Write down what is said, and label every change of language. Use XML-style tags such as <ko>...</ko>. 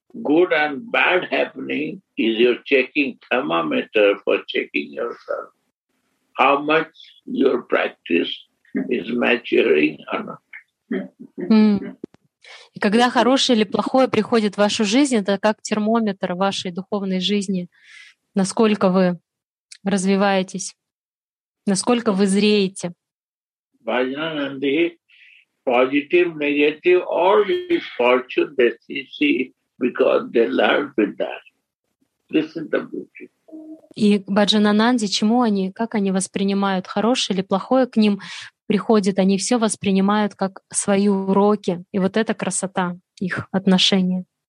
<en>Good and bad happening is your checking thermometer for checking yourself. How much your practice is maturing or not.</en> <ru>И когда хорошее или плохое приходит в вашу жизнь, это как термометр вашей духовной жизни, насколько вы развиваетесь, насколько вы зреете.</ru> <en>Bhajanandi, positive, negative, all is fortune that you see, because they learn with that. This is the beauty.</en> <ru>И Бхаджанананди, чему они, как они воспринимают, хорошее или плохое к ним приходит, они все воспринимают как свои уроки. И вот это красота их отношения.</ru>